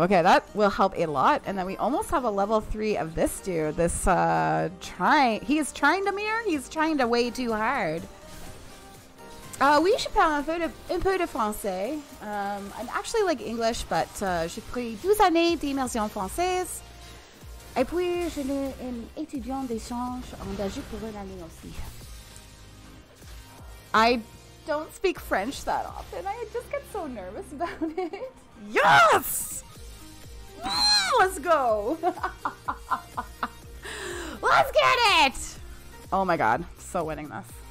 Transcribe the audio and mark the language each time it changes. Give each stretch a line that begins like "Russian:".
English: Okay, that will help a lot. And then we almost have a level 3 of this dude. This he's trying to way too hard.
French: Oui, je parle un peu de français.
English: I'm actually like English, but
French: j'ai pris 12 années d'immersion française. Et puis, je suis un étudiant d'échange engagé pour une année aussi.
English: I don't speak French that often. I just get so nervous about it. Yes! Let's go! Let's get it! Oh my god, so winning this.